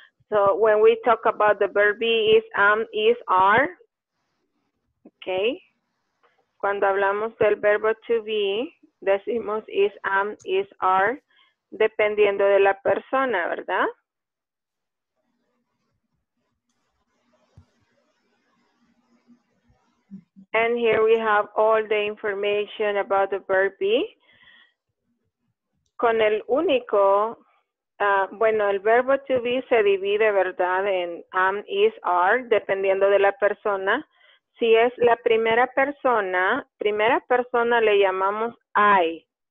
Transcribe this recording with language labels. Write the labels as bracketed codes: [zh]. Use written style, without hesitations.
[en] So when we talk about the verb be is am, is, are. Okay. [es] Cuando hablamos del verbo to be, decimos is, am, is, are, dependiendo de la persona, ¿verdad? [en] And here we have all the information about the verb be. [es] Con el único, bueno, el verbo to be se divide, ¿verdad? En am, is, are, dependiendo de la persona. Si es la primera persona le llamamos I.